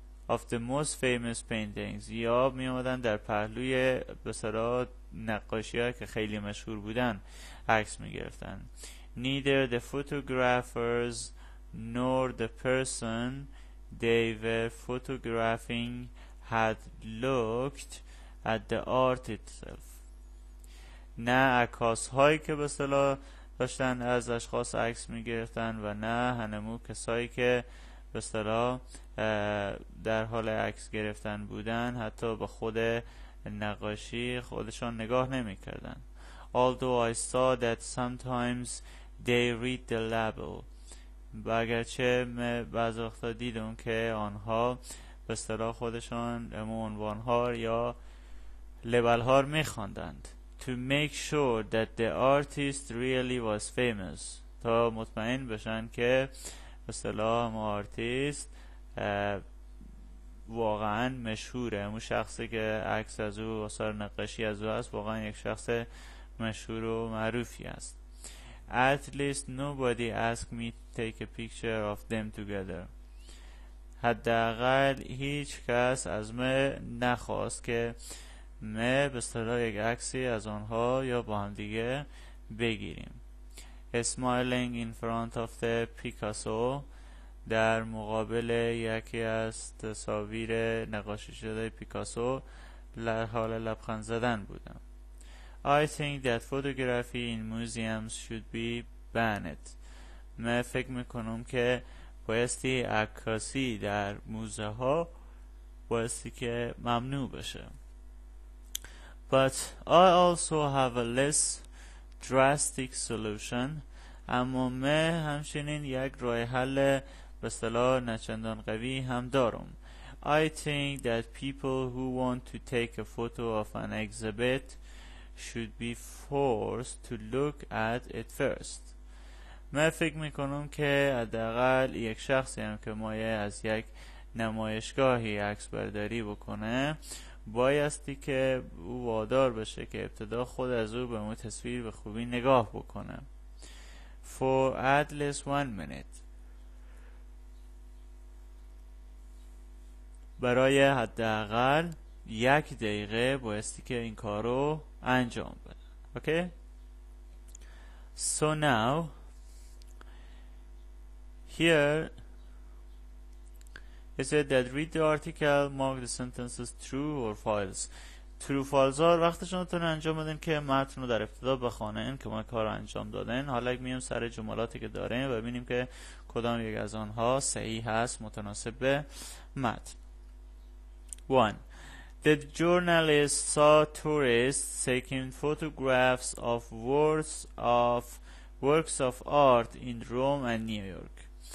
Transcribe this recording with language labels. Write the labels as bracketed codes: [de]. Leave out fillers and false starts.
[en] in front of some of the most famous paintings [fa] یا می آمدن در پهلوی به اصطلاح نقاشی ها که خیلی مشهور بودند عکس می گرفتند. [en] Neither the photographers nor the person they were photographing had looked at the art itself. [fa] نه عکاس هایی که به اصطلاح داشتن از اشخاص عکس می گرفتن و نه هنمو کسایی که به اصطلاح در حال عکس گرفتن بودن حتی به خود نقاشی خودشان نگاه نمی کردن. [en] Although I saw that sometimes they read the label. [fa] و اگرچه من بعض وقتا دیدم که آنها به اصطلاح خودشان عنوان ها یا لبل ها میخواندند. [en] to make sure that the artist really was famous. [fa] تا مطمئن بشن که به اصطلاح اون آرتیست واقعا مشهوره، اون شخصی که عکس از او و آثار نقاشی از او هست واقعا یک شخص مشهور و معروفی است. [en] At least nobody asked me to take a picture of them together. [fa] حداقل هیچ کس از من نخواست که من به اصطلاح یک عکسی از آنها یا با هم دیگه بگیریم. [en] Smiling in front of the Picasso، [fa] در مقابل یکی از تصاویر نقاشی شده پیکاسو در حال لبخند زدن بودم. [en] I think that photography in museums should be banned. [fa] من فکر میکنم که بایستی عکاسی در موزه ها بایستی که ممنوع بشه. [en] But I also have a less drastic solution. [fa] اما من همچنین یک راه حل به اصطلاح نچندان قوی هم دارم. [en] I think that people who want to take a photo of an exhibit should be forced to look at it first. [fa] من فکر میکنم که حداقل یک شخصی هم که مایه از یک نمایشگاهی عکس برداری بکنه بایستی که او وادار بشه که ابتدا خود از او به اون تصویر به خوبی نگاه بکنه. [en] For at least 1 minute. [fa] برای حداقل یک دقیقه بایستی که این کارو انجام بده. [en] Okay. So now here is it that read the article, mark the sentences true or false. True false are [fa] وقتشون تون انجام بدن که متن رو در ابتدا بخونن که ما کار انجام دادن. حالا میام سر جملاتی که دارن و ببینیم که کدام یک از آنها صحیح هست متناسب به متن. [en] 1. The journalist saw tourists taking photographs of works of art in Rome and New York.